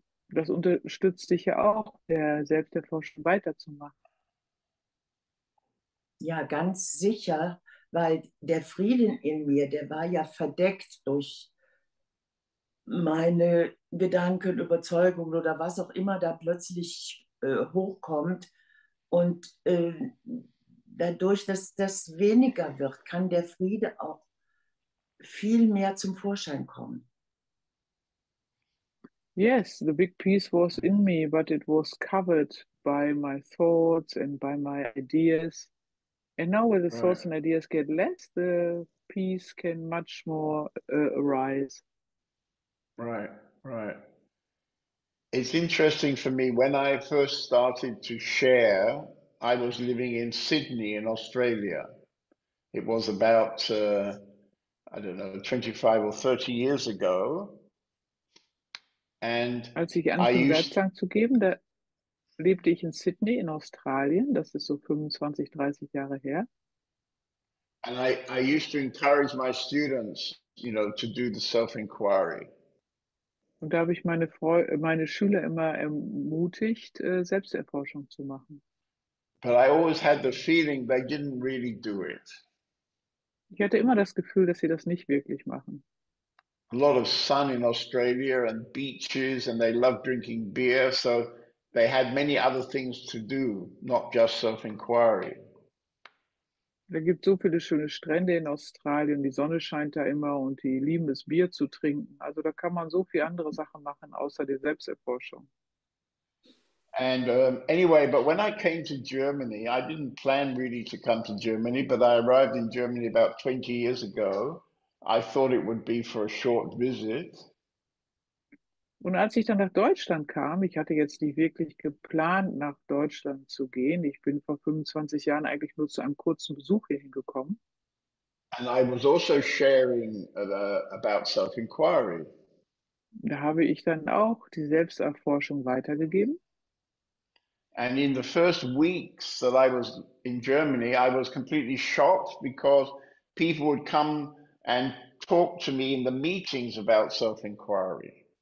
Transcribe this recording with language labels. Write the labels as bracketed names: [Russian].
[German] Das unterstützt dich ja auch, der Selbsterforschung weiterzumachen. Ja, ganz sicher. Weil der Frieden in mir, der war ja verdeckt durch meine Gedanken, Überzeugungen oder was auch immer da plötzlich hochkommt. Und dadurch, dass das weniger wird, kann der Friede auch viel mehr zum Vorschein kommen. [English] Yes, the big piece was in me, but it was covered by my thoughts and by my ideas. And now when the right. thoughts and ideas get less, the peace can much more arise. Right, right. It's interesting for me, when I first started to share, I was living in Sydney in Australia. It was about, 25 or 30 years ago. And [German] als ich anfing, Satsang zu geben, da lebte ich in Sydney in Australien. Das ist so 25, 30 Jahre her. [English] And I used to encourage my students, to do the self-inquiry. [German] Und da habe ich meine Schüler immer ermutigt, Selbsterforschung zu machen. [English] But I always had the feeling they didn't really do it. [German] Ich hatte immer das Gefühl, dass sie das nicht wirklich machen. [English] A lot of sun in Australia and beaches, and they love drinking beer, so they had many other things to do, not just self-inquiry. [German] Da gibt so viele schöne Strände in Australien, die Sonne scheint da immer und die lieben es, Bier zu trinken. Also da kann man so viel andere Sachen machen, außer der Selbsterforschung. [English] And but when I came to Germany, I didn't plan really to come to Germany, but I arrived in Germany about 20 years ago. I thought it would be for a short visit. [German] Und als ich dann nach Deutschland kam, ich hatte jetzt nicht wirklich geplant, nach Deutschland zu gehen. Ich bin vor 25 Jahren eigentlich nur zu einem kurzen Besuch hier hingekommen. [English] And I was also sharing about self-inquiry. [German] Da habe ich dann auch die Selbsterforschung weitergegeben. [English] And in the first weeks that I was in Germany, I was completely shocked because people would come and talk to me in the meetings about self-inquiry.